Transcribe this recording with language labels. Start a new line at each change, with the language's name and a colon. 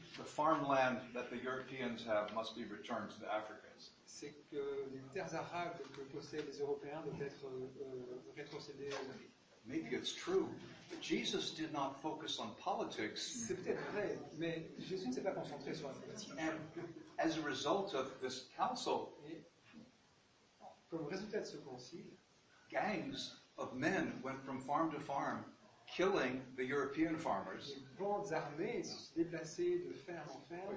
English: the farmland that the Europeans have must be returned to the Africans.
French: C'est que les terres arables que possèdent les Européens doivent être rétrocédées à l'Afrique.
English: Maybe it's true, but Jesus did not focus on politics.
French: C'est peut-être vrai, mais Jésus ne s'est pas concentré sur la politique.
English: And as a result of this council,
French: comme résultat de ce concile,
English: gangs of men went from farm to farm, killing the European farmers.
French: Les bandes armées se sont déplacées de ferme en ferme,